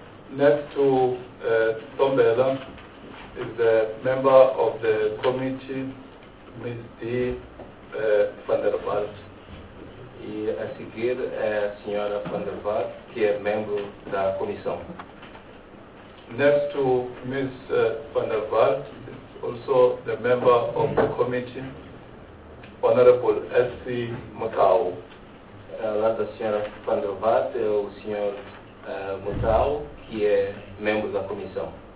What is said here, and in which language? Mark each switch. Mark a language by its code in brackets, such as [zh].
[en] Next to Ntombela is the member of the committee, Ms. D. Van der Waal. [pt] E a seguir é a senhora Van der Waal, que é membro da comissão. [en] Next to Ms. Van der Waal is also the member of the committee, Honorable S.C. Motau. [pt] Lá da senhora Van der Waal é o senhor Motau, que é membro da comissão.